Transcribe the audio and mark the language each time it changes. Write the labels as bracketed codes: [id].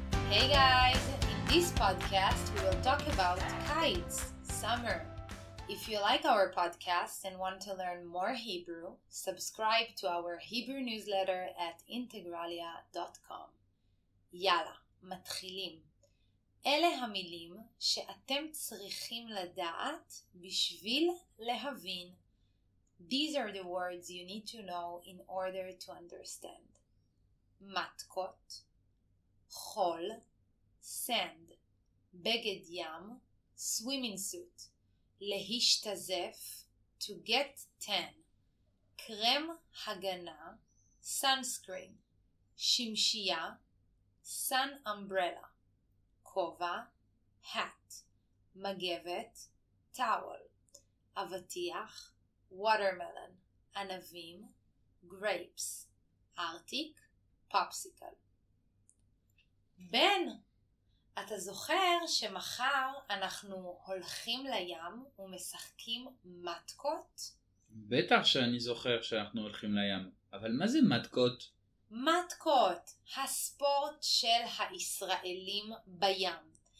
[en] Hey guys, in this podcast we will talk about kites, summer. If you like our podcast and want to learn more Hebrew, subscribe to our Hebrew newsletter at integralia.com. [he] יאללה, מתחילים. אלה המילים שאתם צריכים לדעת בשביל להבין. [en] These are the words you need to know in order to understand. [he] מתקות, חול, [en] sand, [he] בגד ים, [en] swimming suit, [he] להשתזף, [en] to get tan, [he] קרם הגנה, [en] sunscreen, [he] שמשייה, [en] sun umbrella, [he] כובע, [en] hat, [he] מגבת, [en] towel, [he] אבטיח, [en] watermelon, [he] ענבים, [en] grapes, [he] ארטיק, [en] popsicle. [he] בן, אתה זוכר שמחר אנחנו הולכים לים ומשחקים מתקות? בטח שאני זוכר שאנחנו הולכים לים, אבל מה זה מתקות? מתקות, הספורט של הישראלים בים.